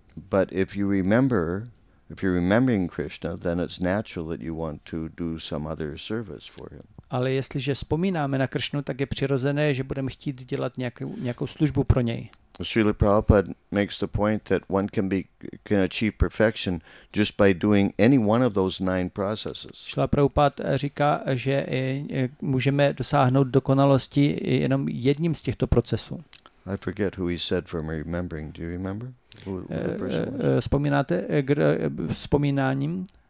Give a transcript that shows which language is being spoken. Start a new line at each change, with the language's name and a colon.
English: But if you remember, if you're remembering Krishna, then it's natural that you want to do some other service for him.
Czech: Ale jestliže vzpomínáme na Kršnu, tak je přirozené, že budeme chtít dělat nějakou službu pro něj.
English: Srila Prabhupada makes the point that one can achieve perfection just by doing any one of those 9 processes.
Czech: Srila Prabhupada říká, že můžeme dosáhnout dokonalosti jenom jedním z těchto procesů.
English: I forget who he said from remembering. Do you remember?
Czech: Vzpomínáte vzpomínáním?